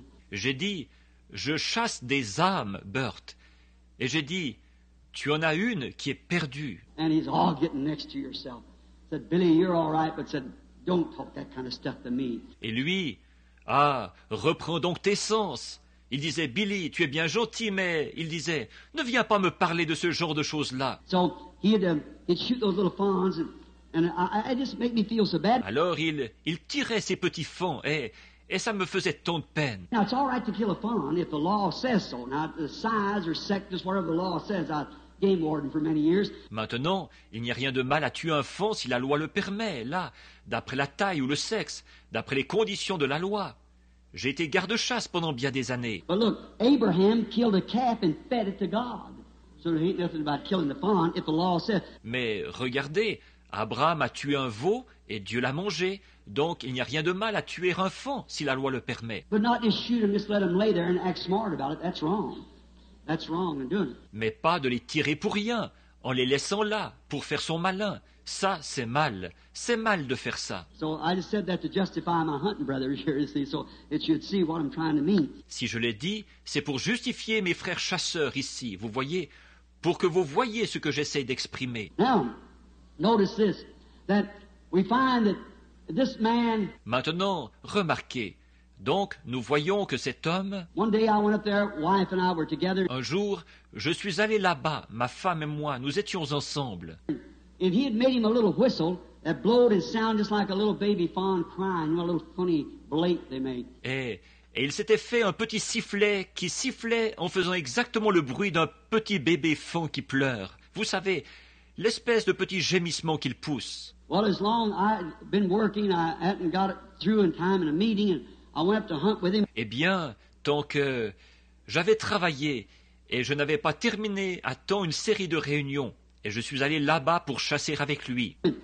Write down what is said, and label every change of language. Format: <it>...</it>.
<fr>J'ai dit, je chasse des âmes, Bert. Et j'ai dit, tu en as une qui est perdue.</fr> <en>And he's all getting next to yourself. I said, Billy, you're all right, but said, don't talk that kind of stuff to me.</en> <fr>Et lui, ah, reprends donc tes sens. Il disait, Billy, tu es bien gentil, mais il disait, ne viens pas me parler de ce genre de choses-là.</fr> <en>So, he'd shoot those little fawns, and it just made me feel so bad.</en> <fr>Alors il tirait ses petits fawns, et ça me faisait tant de peine.</fr> <en>Now it's all right to kill a fawn if the law says so. Now the size or sex, just whatever the law says. I'm game warden for many years.</en> <fr>Maintenant, il n'y a rien de mal à tuer un fawn si la loi le permet. Là, d'après la taille ou le sexe, d'après les conditions de la loi, j'ai été garde-chasse pendant bien des années.</fr> <en>But look, Abraham killed a calf and fed it to God. So there ain't nothing about killing the fawn if the law says.</en> <fr>Mais regardez, Abraham a tué un veau et Dieu l'a mangé. Donc il n'y a rien de mal à tuer un fawn si la loi le permet.</fr> <en>But not just shoot them, just let them lay there and act smart about it. That's wrong. That's wrong in doing it.</en> <fr>Mais pas de les tirer pour rien, en les laissant là pour faire son malin. Ça, c'est mal. C'est mal de faire ça.</fr> <en>So I just said that to justify my hunting brothers here, you see, so it should see what I'm trying to mean.</en> <fr>Si je l'ai dit, c'est pour justifier mes frères chasseurs ici, vous voyez, pour que vous voyez ce que j'essaie d'exprimer.</fr> <en>Now, notice this, that we find that this man...</en> <fr>Maintenant, remarquez. Donc, nous voyons que cet homme...</fr> <en>One day I went up there, wife and I were together.</en> <fr>Un jour, je suis allé là-bas, ma femme et moi, nous étions ensemble.</fr> <en>If he had made him a little whistle that blowed and sounded just like a little baby fawn crying, you know, a little funny bleat they make.</en> <fr>Et il s'était fait un petit sifflet qui sifflait en faisant exactement le bruit d'un petit bébé fawn qui pleure. Vous savez, l'espèce de petit gémissement qu'il pousse.</fr> <en>Well, as long as I'd been working, I hadn't got it through in time in a meeting, and I went up to hunt with him.</en> <fr>Eh bien, tant que j'avais travaillé et je n'avais pas terminé à temps une série de réunions, et je suis allé là-bas pour chasser avec lui.</fr>